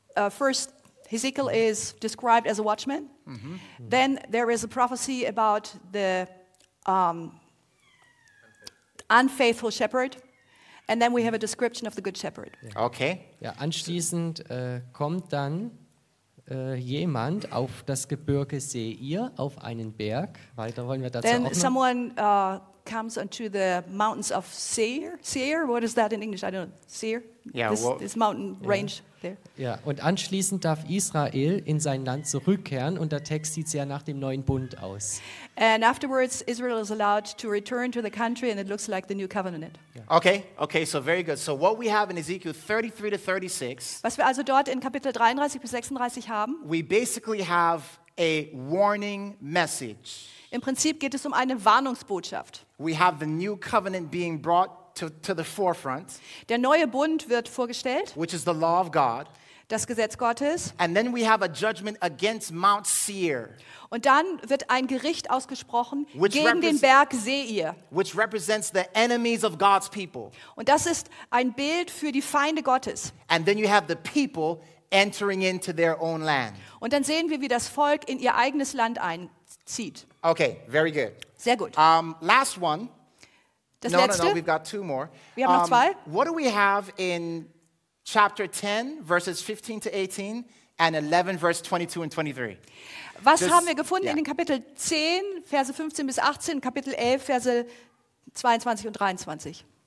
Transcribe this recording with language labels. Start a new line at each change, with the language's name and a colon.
English: First, Hesekiel is described as a watchman. Mm-hmm. Then there is a prophecy about the unfaithful shepherd. And then we have a description of the good shepherd. Okay.
German: Ja, anschließend kommt dann jemand auf das Gebirge Seir, auf einen Berg. Weiter wollen wir dazu
English: Then
German: auch
English: someone comes onto the mountains of Seir. Seir, what is that in English? I don't know. Seir? Yeah, this mountain range there.
German: Ja, und anschließend darf Israel in sein Land zurückkehren und der Text sieht sehr nach dem neuen Bund aus.
English: And afterwards Israel is allowed to return to the country and it looks like the new covenant. Yeah. Okay, so very good. So what we have in Ezekiel 33 to 36.
German: Was wir also dort in Kapitel 33 bis 36 haben.
English: We basically have a warning message.
German: Im Prinzip geht es um eine Warnungsbotschaft.
English: We have the new covenant being brought to the forefront.
German: Der neue Bund wird vorgestellt.
English: Which is the law of God.
German: Das Gesetz Gottes.
English: And then we have a judgment against Mount Seir.
German: Und dann wird ein Gericht ausgesprochen gegen den Berg Seir.
English: Which represents the enemies of God's people.
German: Und das ist ein Bild für die Feinde Gottes.
English: And then you have the people entering into their own land.
German: Und dann sehen wir, wie das Volk in ihr eigenes Land einzieht.
English: Okay, very good.
German: Sehr gut.
English: Last one.
German: Das
English: no,
German: letzte.
English: No, we've got two more.
German: Wir haben noch zwei.
English: What do we have in chapter 10, verses 15 to 18, and 11, verse 22 and 23?
German: Was haben wir gefunden in den Kapitel 10, Verse 15 bis 18, Kapitel 11, Verse 22 und 23?